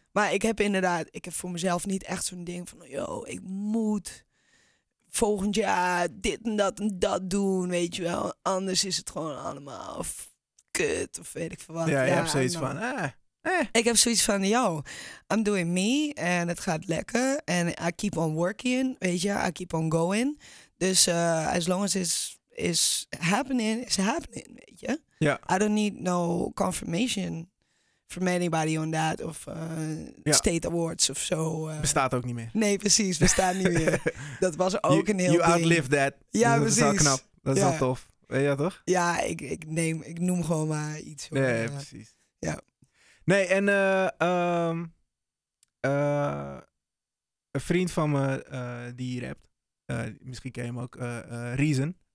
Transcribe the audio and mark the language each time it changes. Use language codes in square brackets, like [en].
[nl] Maar ik heb inderdaad, ik heb voor mezelf niet echt zo'n ding van, yo, ik moet volgend jaar dit en dat doen, weet je wel. Anders is het gewoon allemaal of kut of weet ik wat. Ja, je hebt zoiets van, Ik heb zoiets van, yo, [en] I'm doing me [nl] en het gaat lekker. En [en] I keep on working, [nl] weet je, [en] I keep on going. [nl] Dus [en] as long as it's happening, it's happening, [nl] weet je. [en] Yeah. I don't need no confirmation from anybody on that of state awards [nl] of zo. Bestaat ook niet meer. Nee, precies, bestaat niet meer. Dat was ook [en] you, [nl] een heel [en] you [nl] ding. [en] You outlived that. [nl] Ja, dat precies. Dat is wel knap, dat is wel tof. Weet je toch? Ja, ik noem gewoon maar iets. Nee, ja, precies. Ja. Nee, en een vriend van me die rapt, misschien ken je hem ook, Reason.